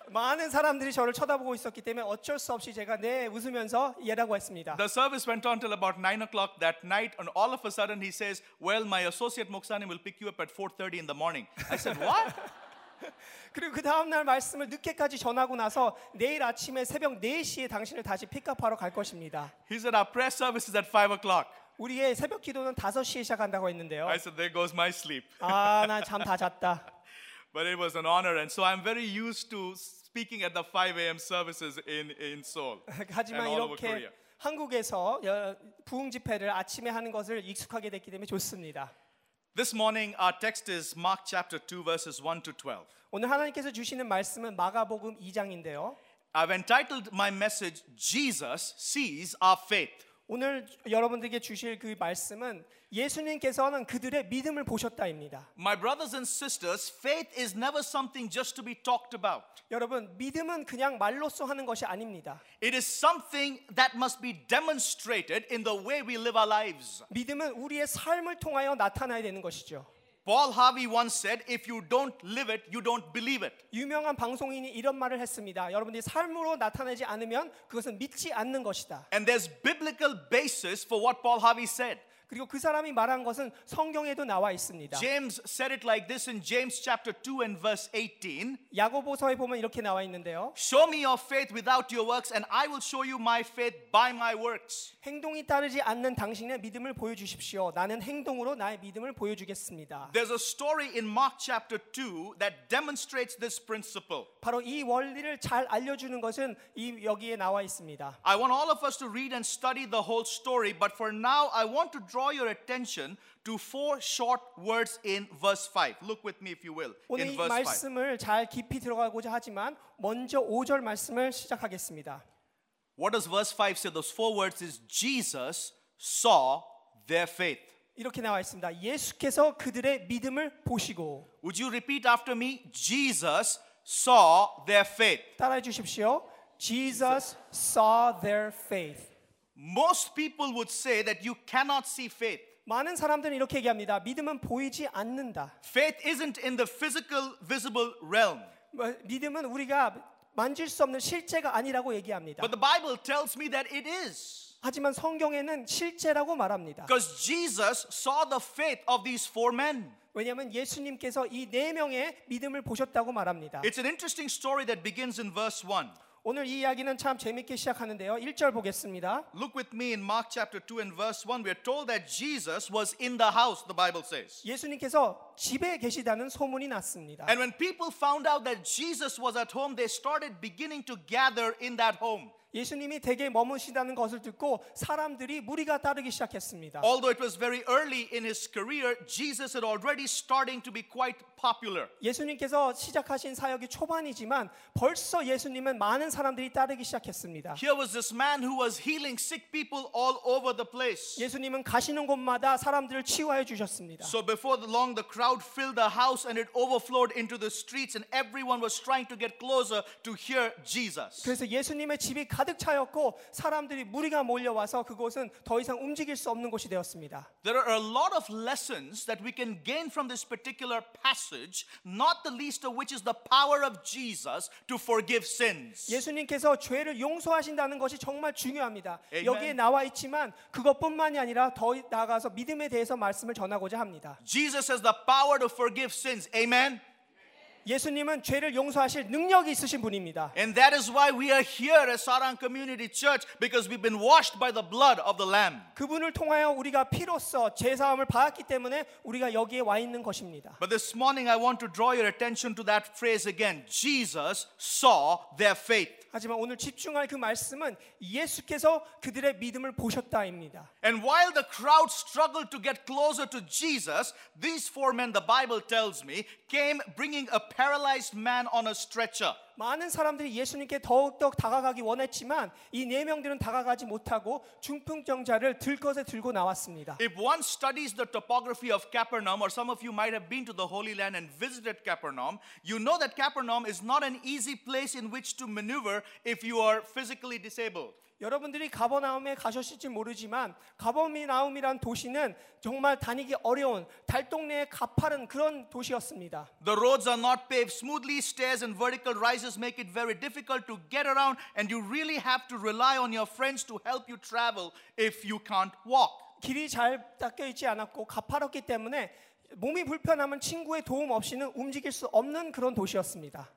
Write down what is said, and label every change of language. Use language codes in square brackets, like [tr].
[ko] 많은 사람들이 저를 쳐다보고 있었기 때문에 어쩔 수 없이 제가 네 웃으면서 예라고 했습니다. [en] The service went on till about 9 o'clock that night, and all of a sudden he says, "Well, my associate Moksanim will pick you up at 4:30 in the morning." I said, "What?" [ko] 그리고 그 다음 날 말씀을 늦게까지 전하고 나서 내일 아침에 새벽 4시에 당신을 다시 픽업하러 갈 것입니다. [en] He said our prayer service is at 5 o'clock. [ko] 우리의 새벽 기도는 5시에 시작한다고 했는데요. [en] I said there goes my sleep. [ko] 아, 나 잠 다 잤다. [en] But it was an honor and so I'm very used to speaking at the 5 a.m. services in Seoul. [ko] 하지만 이렇게 한국에서 부흥 집회를 아침에 하는 것을 익숙하게 됐기 때문에 좋습니다. [en] This morning our text is Mark chapter 2 verses 1 to 12. [ko] 오늘 하나님께서 주시는 말씀은 마가복음 2장인데요. [en] I've entitled my message Jesus sees our faith. [ko] 오늘 여러분들에게 주실 그 말씀은 예수님께서는 그들의 믿음을 보셨다입니다. [en] My brothers and sisters, faith is never something just to be talked about. [ko] 여러분, 믿음은 그냥 말로써 하는 것이 아닙니다. [en] It is something that must be demonstrated in the way we live our lives. [ko] 믿음은 우리의 삶을 통하여 나타나야 되는 것이죠. [en] Paul Harvey once said, "If you don't live it, you don't believe it." [ko] 유명한 방송인이 이런 말을 했습니다. 여러분들이 삶으로 나타내지 않으면 그것은 믿지 않는 것이다. [en] And there's biblical basis for what Paul Harvey said. [ko] 그리고 그 사람이 말한 것은 성경에도 나와 있습니다. [en] James said it like this in James chapter 2 and verse 18. [ko] 야고보서에 보면 이렇게 나와 있는데요. [en] Show me your faith without your works and I will show you my faith by my works. [ko] 행동이 따르지 않는 당신의 믿음을 보여 주십시오. 나는 행동으로 나의 믿음을 보여 주겠습니다. [en] There's a story in Mark chapter 2 that demonstrates this principle. [ko] 바로 이 원리를 잘 알려 주는 것은 이 여기에 나와 있습니다. [en] I want all of us to read and study the whole story, but for now I want to draw your attention to four short words in verse 5. Look with me if you will. In verse 5. [ko] 오늘 이 말씀을 잘 깊이 들어가고자 하지만 먼저 5절 말씀을 시작하겠습니다. [en] What does verse 5 say? Those four words is Jesus saw their faith. [ko] 이렇게 나와 있습니다. 예수께서 그들의 믿음을 보시고. [en] Would you repeat after me? Jesus saw their faith. [ko] 따라해 주십시오. [en] Jesus saw their faith. Most people would say that you cannot see faith. [ko] 많은 사람들은 이렇게 얘기합니다. 믿음은 보이지 않는다. [en] Faith isn't in the physical, visible realm. [ko] 믿음은 우리가 만질 수 없는 실제가 아니라고 얘기합니다. [en] But the Bible tells me that it is. [ko] 하지만 성경에는 실제라고 말합니다. [en] Because Jesus saw the faith of these four men. [ko] 왜냐하면 예수님께서 이 네 명의 믿음을 보셨다고 말합니다. [en] It's an interesting story that begins in verse 1. [ko] 오늘 이 이야기는 참 재밌게 시작하는데요. 1절 보겠습니다. [en] Look with me in Mark chapter 2 and verse 1. We are told that Jesus was in the house, the Bible says. [ko] 예수님께서 집에 계시다는 소문이 났습니다. [en] And when people found out that Jesus was at home, they started beginning to gather in that home. [ko] 예수님이 댁에 머무신다는 것을 듣고 사람들이 무리가 따르기 시작했습니다. [en] Although it was very early in his career, Jesus had already starting to be quite popular. [ko] 예수님께서 시작하신 사역이 초반이지만 벌써 예수님은 많은 사람들이 따르기 시작했습니다. [en] Here was this man who was healing sick people all over the place. [ko] 예수님은 가시는 곳마다 사람들을 치유하여 주셨습니다. [en] So before long, the crowd filled the house and it overflowed into the streets and everyone was trying to get closer to hear Jesus. [ko] 그래서 예수님의 집이 가득 차였고 사람들이 무리가 몰려와서 그곳은 더 이상 움직일 수 없는 곳이 되었습니다. [en] There are a lot of lessons that we can gain from this particular passage, not the least of which is the power of Jesus to forgive sins. [ko] 예수님께서 죄를 용서하신다는 것이 정말 중요합니다. 여기에 나와 있지만 그것뿐만이 아니라 더 나아가서 믿음에 대해서 말씀을 전하고자 합니다. [en] Jesus has the power to forgive sins. Amen. [ko] 예수님은 죄를 용서하실 능력이 있으신 분입니다. [en] And that is why we are here at Sarang Community Church because we've been washed by the blood of the Lamb. [ko] 그분을 통하여 우리가 피로써 죄 사함을 받았기 때문에 우리가 여기에 와 있는 것입니다. [en] But this morning I want to draw your attention to that phrase again. Jesus saw their faith. [ko] 하지만 오늘 집중할 그 말씀은 예수께서 그들의 믿음을 보셨다입니다. [en] And while the crowd struggled to get closer to Jesus, these four men, the Bible tells me, came bringing a paralyzed man on a stretcher. [ko] 많은 사람들이 예수님께 더욱더 다가가기 원했지만 이 네 명들은 다가가지 못하고 중풍병자를 들것에 들고 나왔습니다. [en] If one studies the topography of Capernaum, or some of you might have been to the Holy Land and visited Capernaum, you know that Capernaum is not an easy place in which to maneuver if you are physically disabled. [ko] 여러분들이 가버나움에 가셨을지 모르지만 가버나움이란 도시는 정말 다니기 어려운 달동네의 가파른 그런 도시였습니다. [en] The roads are not paved smoothly. Stairs and vertical rises make it very difficult to get around and you really have to rely on your friends to help you travel if you can't walk. [ko] 길이 잘 닦여 있지 않았고 가파렀기 때문에 몸이 불편하면 친구의 도움 없이는 움직일 수 없는 그런 도시였습니다.